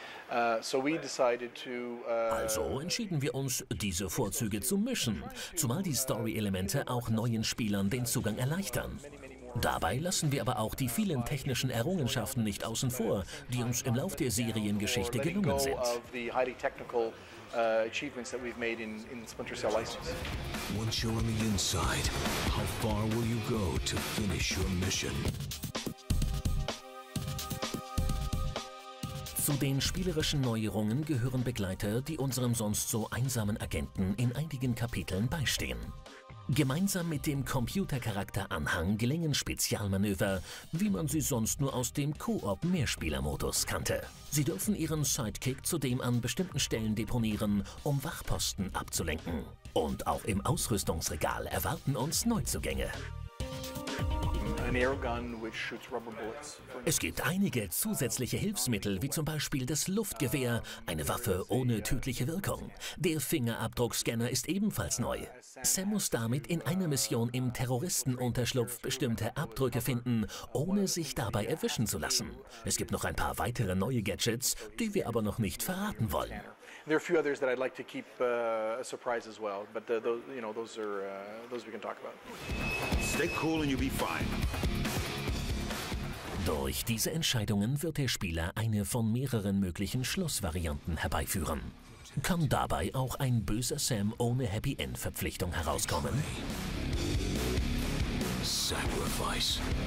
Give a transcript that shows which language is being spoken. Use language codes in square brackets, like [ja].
[de] Also entschieden wir uns, diese Vorzüge zu mischen, zumal die Story-Elemente auch neuen Spielern den Zugang erleichtern. Dabei lassen wir aber auch die vielen technischen Errungenschaften nicht außen vor, die uns im Lauf der Seriengeschichte gelungen sind. [en] Achievements that we've made in Splinter Cell License. Once you're on the inside, how far will you go to finish your mission? [de] Zu den spielerischen Neuerungen gehören Begleiter, die unserem sonst so einsamen Agenten in einigen Kapiteln beistehen. Gemeinsam mit dem Computercharakter-Anhang gelingen Spezialmanöver, wie man sie sonst nur aus dem Koop-Mehrspieler-Modus kannte. Sie dürfen ihren Sidekick zudem an bestimmten Stellen deponieren, um Wachposten abzulenken. Und auch im Ausrüstungsregal erwarten uns Neuzugänge. Es gibt einige zusätzliche Hilfsmittel, wie zum Beispiel das Luftgewehr, eine Waffe ohne tödliche Wirkung. Der Fingerabdruckscanner ist ebenfalls neu. Sam muss damit in einer Mission im Terroristenunterschlupf bestimmte Abdrücke finden, ohne sich dabei erwischen zu lassen. Es gibt noch ein paar weitere neue Gadgets, die wir aber noch nicht verraten wollen. [en] There are a few others that I'd like to keep a surprise as well, but those we can talk about. Stay cool and you'll be fine. [de] Durch diese Entscheidungen wird der Spieler eine von mehreren möglichen Schlussvarianten herbeiführen. Kann dabei auch ein böser Sam ohne Happy End Verpflichtung herauskommen? [en] Sacrifice.